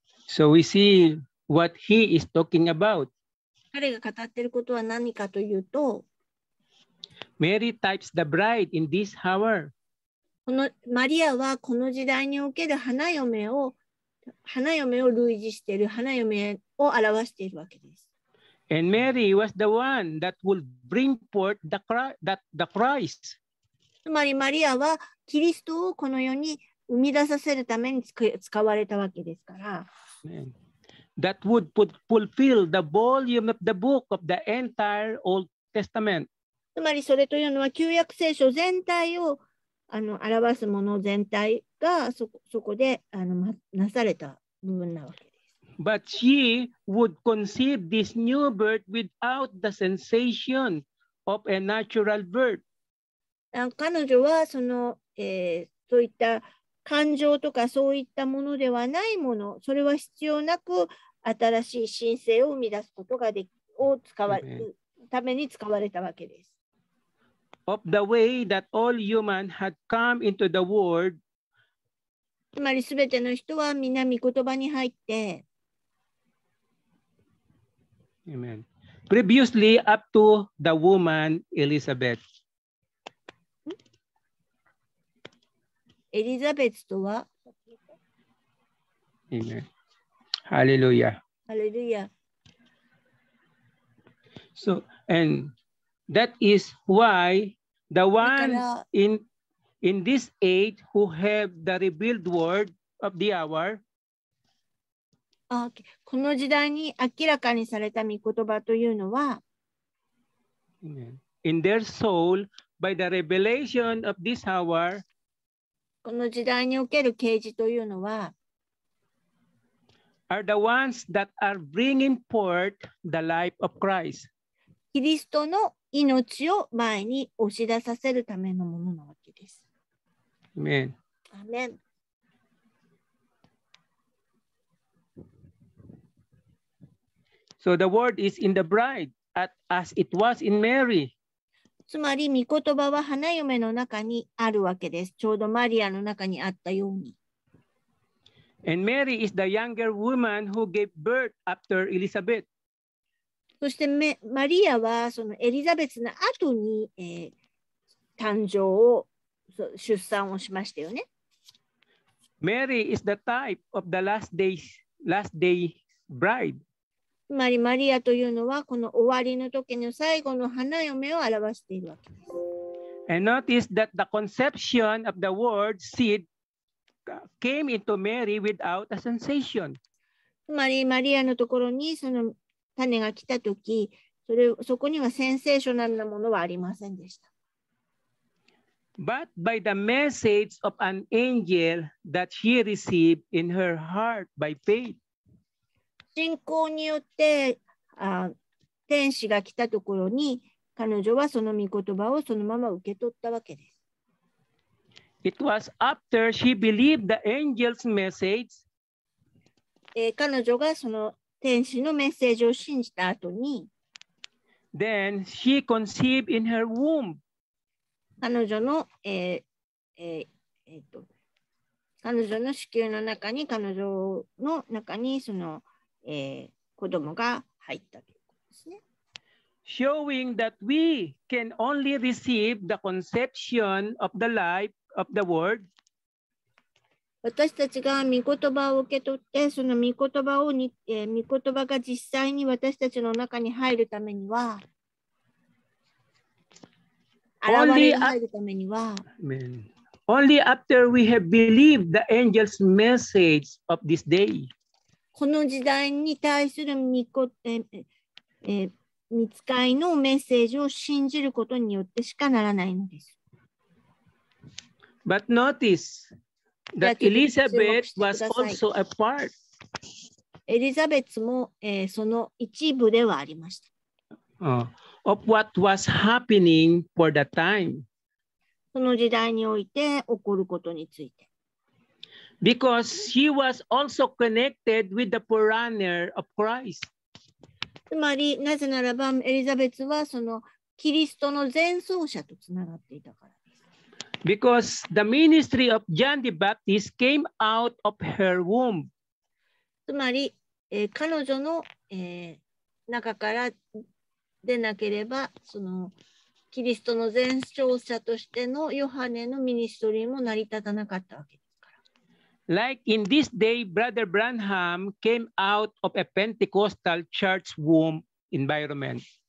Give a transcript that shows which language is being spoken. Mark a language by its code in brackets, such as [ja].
[en] So we see what he is talking about. [ja] 彼が語っていることは何かというと、 [en] Mary types the bride in this hour. [ja] このマリアはこの時代における花嫁を類似している花嫁を表しているわけです。 [en] And Mary was the one that would bring forth the Christ. [ja] つまりマリアはキリストをこの世に生み出させるために使われたわけですから。 [en] That would fulfill the volume of the book of the entire Old Testament. [ja] つまりそれというのは旧約聖書全体を表すもの全体がそこでなされた部分なわけです。 [en] But she would conceive this new birth without the sensation of a natural birth. [ja] 彼女はその、そういった感情とかそういったものではないもの、それは必要なく新しい神性を生み出すことができを使われるために使われたわけです。 [en] Of the way that all human had come into the world. [ja] つまりすべての人は皆御言葉に入って、 [en] Amen. Previously, up to the woman Elizabeth. [ja] Elizabeth とは? [en] Amen. Hallelujah. Hallelujah. So, and that is why the one in this age who have the revealed word of the hour. Okay. [ja] この時代に明らかにされた御言葉というのは、 [en] In their soul, by the revelation of this hour, [ja] この時代における啓示というのは、 [en] are the ones that are bringing forth the life of Christ. [ja] キリストの命を前に押し出させるためのものなわけです。 [en] Amen. Amen. So the word is in the bride, as it was in Mary. [ja] つまり御言葉は花嫁の中にあるわけです。ちょうどマリアの中にあったように。 [en] And Mary is the younger woman who gave birth after Elizabeth. [ja] そしてマリアはそのエリザベスの後に、誕生を出産をしましたよね。 [en] Mary is the type of the last day bride. [ja] つまりマリアというのはこの終わりの時の最後の花嫁を表しているわけです。 [en] And notice that the conception of the word seed came into Mary without a sensation. [ja] つまりマリアのところにその種が来た時、そこにはセンセーショナルなものはありませんでした。 [en] But by the message of an angel that she received in her heart by faith. [ja] 信仰によって天使が来たところに彼女はその御言葉をそのまま受け取ったわけです。 [en] It was after she believed the angel's message. [ja] 彼女がその天使のメッセージを信じた後に、 [en] Then she conceived in her womb. [ja] 彼女の、彼女の子宮の中に彼女の中にその子供が入ったということですね。 [en] Showing that we can only receive the conception of the life of the word. [ja] 私たちが御言葉を受け取って、その御言葉を御言葉が実際に私たちの中に入るためには、現れに入るためには、 [en] Amen. Only after we have believed the angel's message of this day. [ja] この時代に対する御子、御使いのメッセージを信じることによってしかならないのです。 [en] But notice that Elizabeth was also a part. [ja] エリザベスも、その一部ではありました。 [en] Of what was happening for the time. [ja] その時代において起こることについて。 [en] Because she was also connected with the forerunner of Christ. [ja] つまり、なぜならば、エリザベスはそのキリストの前奏者とつながっていたからです。 [en] Because the ministry of John the Baptist came out of her womb. [ja] つまり、彼女の、中からでなければ、そのキリストの前奏者としてのヨハネのミニストリーも成り立たなかったわけです。 [en] Like in this day, Brother Branham came out of a Pentecostal church womb environment.